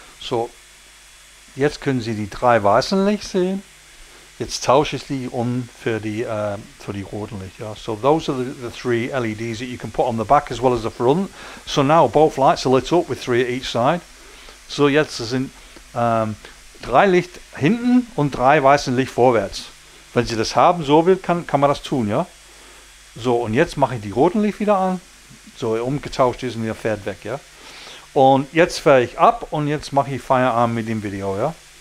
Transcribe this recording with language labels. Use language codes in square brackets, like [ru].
[de] So, jetzt können Sie die drei weißen Licht sehen. Jetzt tausche ich die um für die roten Licht. Ja. [en] So those are the three LEDs that you can put on the back as well as the front. So now both lights are lit up with three at each side. [de] So jetzt sind drei Licht hinten und drei weißen Licht vorwärts. Wenn Sie das haben, so will, kann man das tun. Ja. So, und jetzt mache ich die roten Licht wieder an. So, umgetauscht ist und er fährt weg, ja. Und jetzt fahre ich ab und jetzt mache ich Feierabend mit dem Video, ja.